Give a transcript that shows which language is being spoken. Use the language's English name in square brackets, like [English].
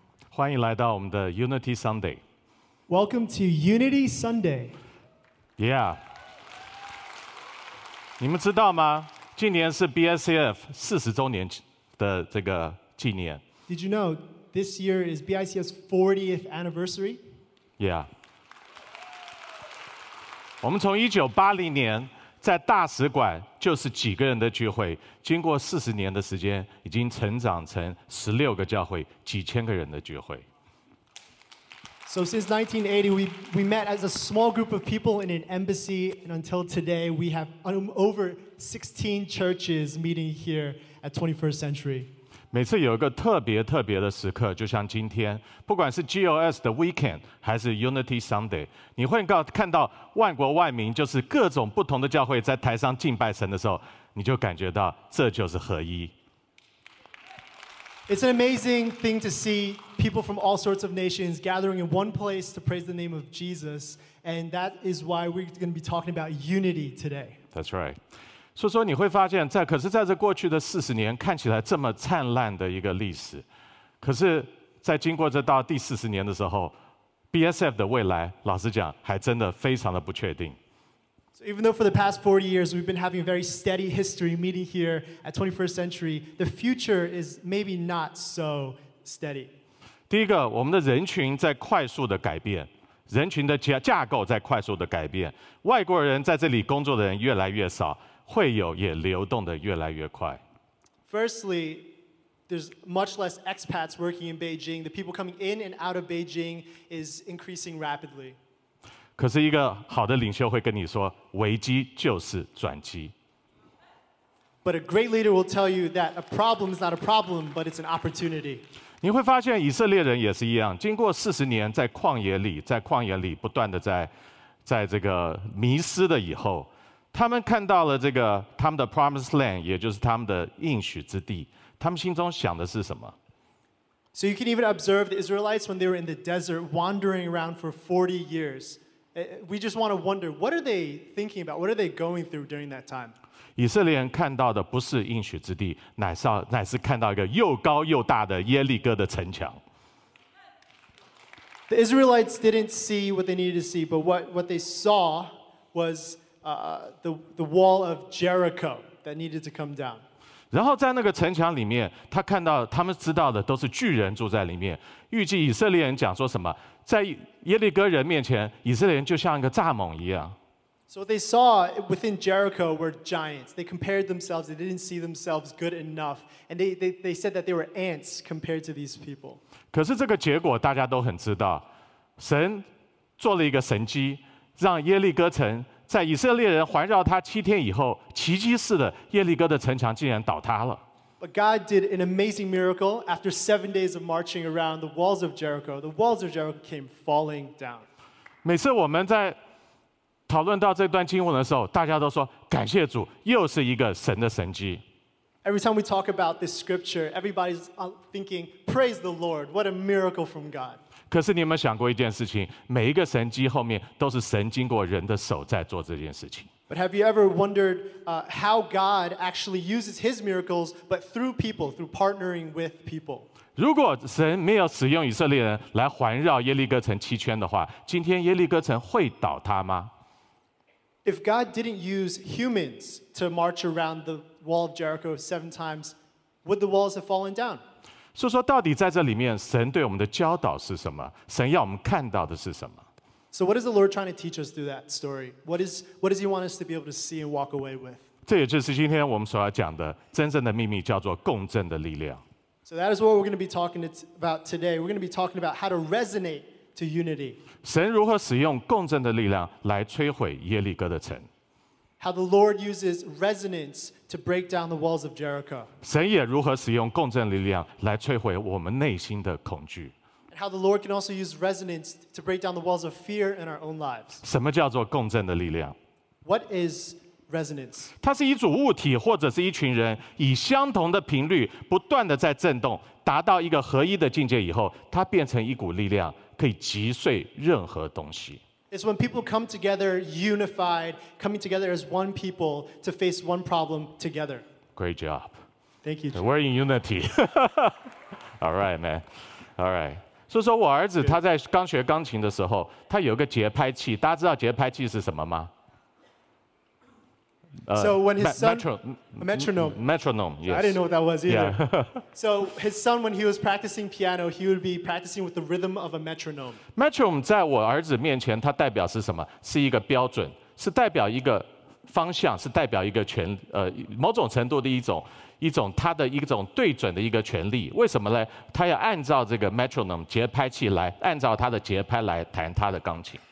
[Chinese] 欢迎来到我们的 Unity Sunday. [English] Welcome to Unity Sunday. Yeah. [Chinese] 你们知道吗？今年是 BICF 40周年的这个纪念。 [English] Did you know this year is BICF's 40th anniversary? Yeah. [Chinese] 我们从1980年在大使馆就是几个人的聚会，经过40年的时间已经成长成16个教会，几千个人的聚会。 [English] So since 1980 we met as a small group of people in an embassy, and until today we have over 16 churches meeting here at 21st century. [Chinese] 每次有一个特别特别的时刻，就像今天，不管是 GOS 的 Weekend 还是 Unity Sunday， 你会看到万国万民，就是各种不同的教会在台上敬拜神的时候，你就感觉到这就是合一。 [English] It's an amazing thing to see people from all sorts of nations gathering in one place to praise the name of Jesus, and that is why we're going to be talking about unity today. That's right. [Chinese] 所以说你会发现，在可是在这过去的40年看起来这么灿烂的一个历史，可是在经过这到第40年的时候， BSF 的未来老实讲还真的非常的不确定。 [English] So even though for the past 40 years we've been having a very steady history meeting here at 21st century, the future is maybe not so steady. [Chinese] 第一个，我们的人群在快速的改变，人群的架构在快速的改变，外国人在这里工作的人越来越少，会有也流动的越来越快。 [English] Firstly, there's much less expats working in Beijing. The people coming in and out of Beijing is increasing rapidly. [Chinese] 可是一个好的领袖会跟你说，危机就是转机。 [English] But a great leader will tell you that a problem is not a problem, but it's an opportunity. [Chinese] 你会发现以色列人也是一样，经过40年在旷野里，在旷野里不断的在这个迷失的以后，他们看到了这个他们的 Promised Land， 也就是他们的应许之地，他们心中想的是什么？ [English] So you can even observe the Israelites when they were in the desert wandering around for 40 years. We just want to wonder, what are they thinking about? What are they going through during that time? [Chinese] 以色列人看到的不是应许之地，乃是看到一个又高又大的耶利哥的城墙。 [English] The Israelites didn't see what they needed to see, but what they saw was the wall of Jericho that needed to come down. [Chinese] 然后在那个城墙里面，他看到他们知道的都是巨人住在里面。预计以色列人讲说什么，在耶利哥人面前，以色列人就像一个蚱蜢一样。 [English] So they saw within Jericho were giants. They compared themselves. They didn't see themselves good enough, and they said that they were ants compared to these people. [Chinese] 可是这个结果大家都很知道，神做了一个神迹，让耶利哥城。在以色列人环绕他七天以后，奇迹似的，耶利哥的城墙竟然倒塌了。 [English] But God did an amazing miracle. After 7 days of marching around the walls of Jericho, the walls of Jericho came falling down. [Chinese] 每次我们在讨论到这段经文的时候，大家都说感谢主，又是一个神的神迹。 [English] Every time we talk about this scripture, everybody's thinking, "Praise the Lord! What a miracle from God!" [Chinese] 可是你有没有想过一件事情？每一个神迹后面都是神经过人的手在做这件事情。 [English] But have you ever wondered how God actually uses His miracles, but through people, through partnering with people? [Chinese] 如果神没有使用以色列人来环绕耶利哥城七圈的话，今天耶利哥城会倒塌吗？ [English] If God didn't use humans to march around the wall of Jericho 7 times, would the walls have fallen down? [Chinese] 所以说到底在这里面神对我们的教导是什么，神要我们看到的是什么。 [English] So what is the Lord trying to teach us through that story? What does he want us to be able to see and walk away with? [Chinese] 这也就是今天我们所要讲的真正的秘密，叫做共振的力量。 [English] So that is what we're going to be talking about today. We're going to be talking about how to resonate to unity. [Chinese] 神如何使用共振的力量来摧毁耶利哥的城。 [English] How the Lord uses resonance to break down the walls of Jericho. [Chinese] 神也如何使用共振力量来摧毁我们内心的恐惧。 [English] And how the Lord can also use resonance to break down the walls of fear in our own lives. [Chinese] 什么叫做共振的力量？ [English] What is resonance? [Chinese] 它是一组物体或者是一群人以相同的频率不断地在震动，达到一个合一的境界以后，它变成一股力量，可以击碎任何东西。 [English] It's when people come together unified, coming together as one people to face one problem together. Great job. Thank you. We're in unity. All right, man. All right. [Chinese] 所以说我儿子他在刚学钢琴的时候，他有个节拍器，大家知道节拍器是什么吗？ [English] So when his son, metronome, yes. I didn't know what that was either. Yeah. So his son, when he was practicing piano, he would be practicing with the rhythm of a metronome. [Chinese] Metronome 在我儿子面前，它代表是什么？是一个标准，是代表一个方向，是代表一个权，某种程度的一种它的一种对准的一个权利。为什么呢？他要按照这个 metronome 节拍器来，按照他的节拍来弹他的钢琴。